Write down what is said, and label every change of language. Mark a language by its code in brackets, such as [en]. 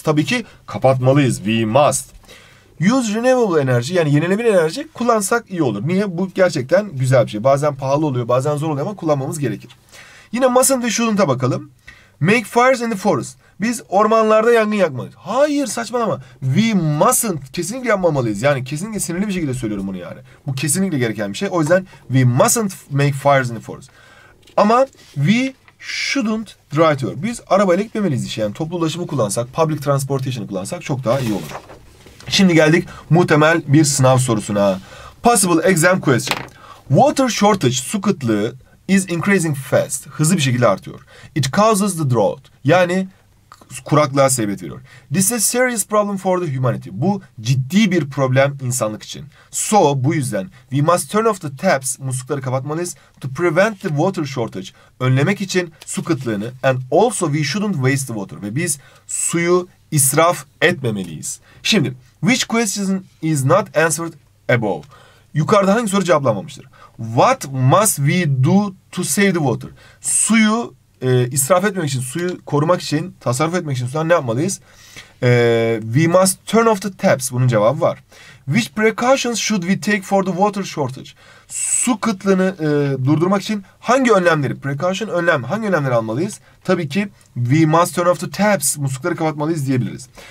[tr] Tabii ki kapatmalıyız. [en] We must. Use renewable energy, [tr] yani yenilenebilir enerji kullansak iyi olur. Niye? Bu gerçekten güzel bir şey. Bazen pahalı oluyor, bazen zor oluyor ama kullanmamız gerekir. [en] Yine mustn't ve shouldn't'a bakalım. Make fires in the forest. [tr] Biz ormanlarda yangın yakmalıyız. Hayır, saçmalama. [en] We mustn't. [tr] Kesinlikle yapmamalıyız. Yani kesinlikle sinirli bir şekilde söylüyorum bunu yani. Bu kesinlikle gereken bir şey. O yüzden [en] we mustn't make fires in the forest. Ama we shouldn't drive to work. [tr] Biz arabayla gitmemeliyiz işe. Yani toplu ulaşımı kullansak, public transportation'ı kullansak çok daha iyi olur. Şimdi geldik muhtemel bir sınav sorusuna. [en] Possible exam question. Water shortage, [tr] su kıtlığı [en] is increasing fast. [tr] Hızlı bir şekilde artıyor. [en] It causes the drought. [tr] Yani kuraklığa sebebiyet veriyor. [en] This is a serious problem for the humanity. [tr] Bu ciddi bir problem insanlık için. [en] So, [tr] bu yüzden [en] we must turn off the taps, [tr] muslukları kapatmalıyız, [en] to prevent the water shortage, [tr] önlemek için su kıtlığını, [en] and also we shouldn't waste the water. [tr] Ve biz suyu israf etmemeliyiz. Şimdi, [en] which question is not answered above? [tr] Yukarıda hangi soru cevaplanmamıştır? [en] What must we do to save the water? [tr] Suyu israf etmemek için, suyu korumak için, tasarruf etmek için ne yapmalıyız? [en] We must turn off the taps. [tr] Bunun cevabı var. [en] Which precautions should we take for the water shortage? [tr] Su kıtlığını durdurmak için hangi önlemleri? Precaution, önlem. Hangi önlemleri almalıyız? Tabii ki [en] we must turn off the taps. [tr] Muslukları kapatmalıyız diyebiliriz.